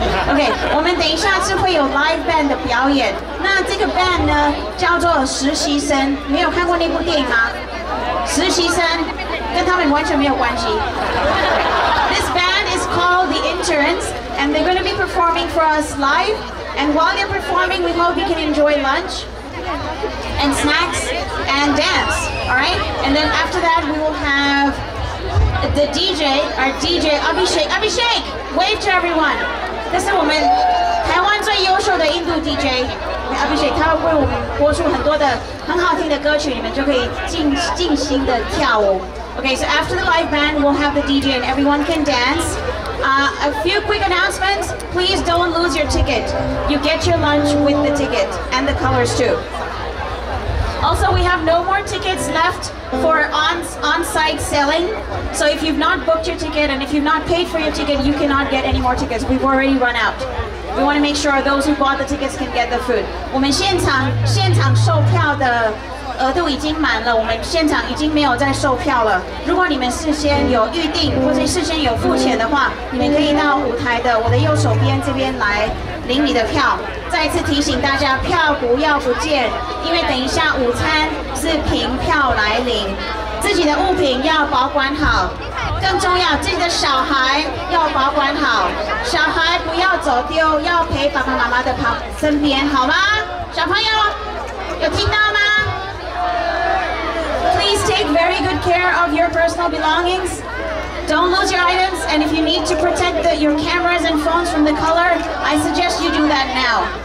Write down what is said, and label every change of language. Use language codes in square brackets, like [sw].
[zh] OK， 我们等一下是会有 live band 的表演。那这个 band 呢，叫做实习生。没有看过那部电影吗？实习生跟他们完全没有关系。 [en] This band is called the Interns, and they're going to be performing for us live. And while they're performing, we hope you can enjoy lunch and snacks and dance, all right? And then after that, we will have the DJ, our DJ, Abhishek. Abhishek, wave to everyone. This is our [zh] 台湾最优秀的印度 [en] DJ, Abhishek. [zh] 他会为我们播出很多的很好听的歌曲，你们就可以尽心的跳舞。 [en] Okay, so after the live band, we'll have the DJ and everyone can dance. A few quick announcements. Please don't lose your ticket. You get your lunch with the ticket and the colors too. Also, we have no more tickets left for on-site selling. So if you've not booked your ticket and if you've not paid for your ticket, you cannot get any more tickets. We've already run out. We want to make sure those who bought the tickets can get the food. [zh] 我们现场售票的额度已经满了，我们现场已经没有再售票了。如果你们事先有预定或者事先有付钱的话，你们可以到舞台的我的右手边这边来领你的票。再次提醒大家，票不要不见，因为等一下午餐是凭票来领。自己的物品要保管好，更重要，自己的小孩要保管好，小孩不要走丢，要陪爸爸妈妈的身边，好吗？小朋友有听到吗？ [en] Please take very good care of your personal belongings. Don't lose your items, and if you need to protect your cameras and phones from the color, I suggest you do that now.